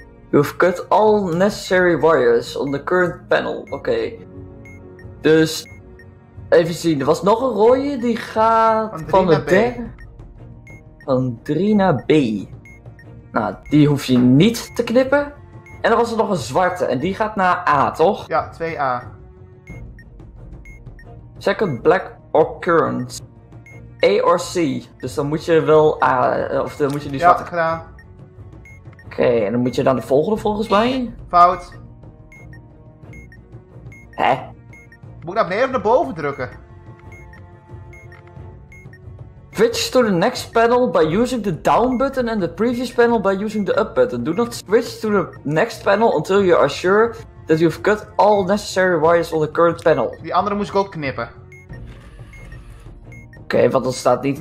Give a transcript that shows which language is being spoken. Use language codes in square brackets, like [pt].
[en] You've cut all necessary wires on the current panel. [nl] Oké. Okay. Dus... Even zien. Er was nog een rode die gaat... Van 3 naar de B. Van 3 naar B. Nou, die hoef je niet te knippen. En er was er nog een zwarte. En die gaat naar A, toch? Ja, 2A. [en] Second black occurrence. A or C. [nl] Dus dan moet je wel A. Of dan moet je die ja, zwarte. Ja, gedaan. Oké, okay, en dan moet je dan de volgende volgens mij. Fout. Hè? Moet ik naar beneden of naar boven drukken? [en] Switch to the next panel by using the down button and the previous panel by using the up button. Do not switch to the next panel until you are sure. That you've cut all necessary wires on the current panel. [nl] Die andere moest ik ook knippen. Oké, okay, want dat staat niet